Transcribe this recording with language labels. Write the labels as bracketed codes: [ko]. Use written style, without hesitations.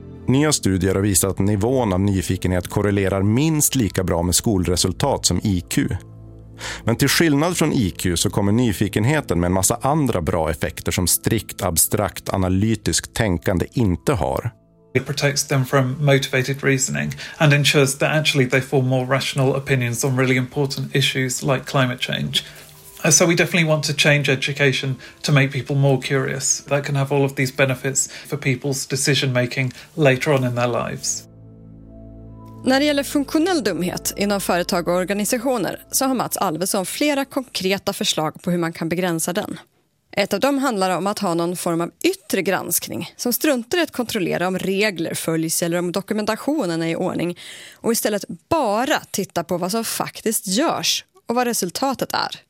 [sv] Nya studier har visat att nivån av nyfikenhet korrelerar minst lika bra med skolresultat som IQ. Men till skillnad från IQ så kommer nyfikenheten med en massa andra bra effekter som strikt, abstrakt, analytiskt tänkande inte har. [en] It protects them from motivated reasoning and ensures that actually they form more rational opinions on really important issues like climate change. So we definitely want to change education to make people more curious. That can have all of these benefits for people's decision making later on in their lives. [sv] När det gäller funktionell dumhet inom företag och organisationer så har Mats Alvesson flera konkreta förslag på hur man kan begränsa den. Ett av dem handlar om att ha någon form av yttre granskning som struntar i att kontrollera om regler följs eller om dokumentationen är i ordning och istället bara titta på vad som faktiskt görs och vad resultatet är.